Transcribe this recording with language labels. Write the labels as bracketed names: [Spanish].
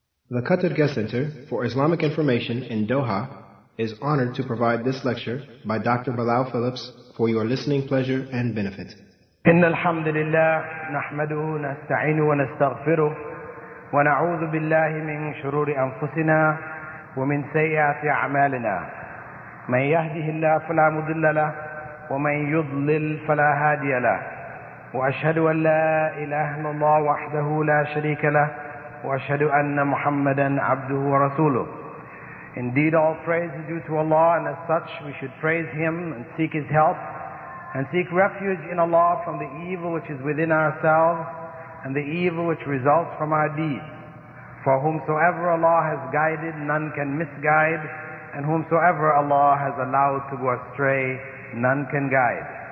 [English] The Qatar Guest Center for Islamic Information in Doha is honored to provide this lecture by Dr. Bilal Phillips for your listening pleasure and benefit. [Arabic] إن الحمد لله نحمده نستعينه ونستغفره ونعوذ بالله من شرور أنفسنا ومن سيئات أعمالنا من يهده الله فلا مضل له ومن يضلل فلا هادي له وأشهد أن لا إله إلا الله وحده لا شريك له وأشهد أن محمدا عبده ورسوله. [English] Indeed, all praise is due to Allah, and as such we should praise Him and seek His help and seek refuge in Allah from the evil which is within ourselves and the evil which results from our deeds. For whomsoever Allah has guided, none can misguide, and whomsoever Allah has allowed to go astray, none can guide.